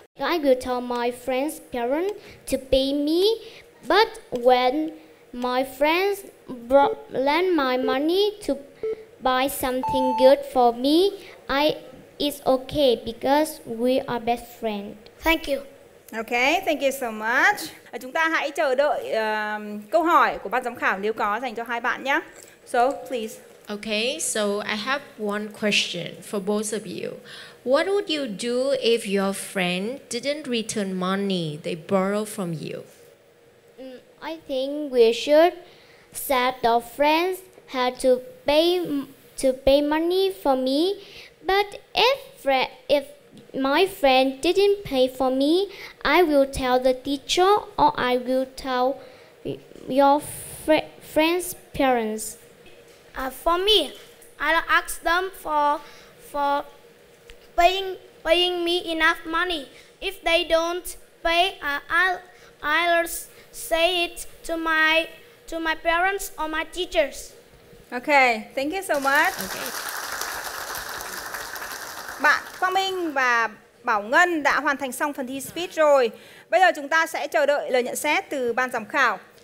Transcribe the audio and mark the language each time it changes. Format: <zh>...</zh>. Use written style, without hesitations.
<en>I will tell my friends' parents to pay me, but when my friends lend my money to buy something good for me, it's okay because we are best friends. Thank you. Okay, thank you so much.</en> <vi>Chúng ta hãy chờ đợi câu hỏi của ban giám khảo nếu có dành cho hai bạn nhé.</vi> <en>So, please. Okay, so I have one question for both of you. What would you do if your friend didn't return money they borrowed from you? I think we should say the friends had to pay money for me, but if my friend didn't pay for me, I will tell the teacher or I will tell your friend's parents. For me, I'll ask them for paying me enough money. If they don't pay, I'll say it to my parents or my teachers. Okay, thank you so much. Okay.</en> <vi>Bạn Quang Minh và Bảo Ngân đã hoàn thành xong phần thi speech rồi. Bây giờ chúng ta sẽ chờ đợi lời nhận xét từ ban giám khảo.</vi>